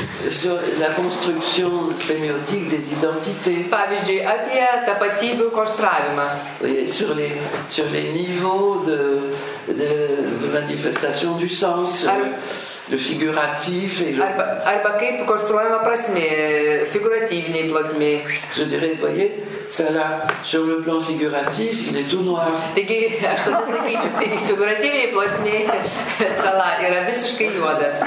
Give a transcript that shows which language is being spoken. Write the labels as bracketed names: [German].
[French] sur la construction sémiotique des identités. [Lithuanian] Pavyzdžiui, apie tapatybių konstravimą. [French] Sur les niveaux de manifestation du sens. Le figuratif et le... [Lithuanian] Arba kaip konstruojama prasmė, figuratyviniai plotmė. [French] Je dirais, voyez, Tsala, sur le plan figuratif, il est tout noir. [Lithuanian] Taigi, aš tada sakyčiau, tai figuratyviniai plotmė, Tsala, yra visiškai juodas.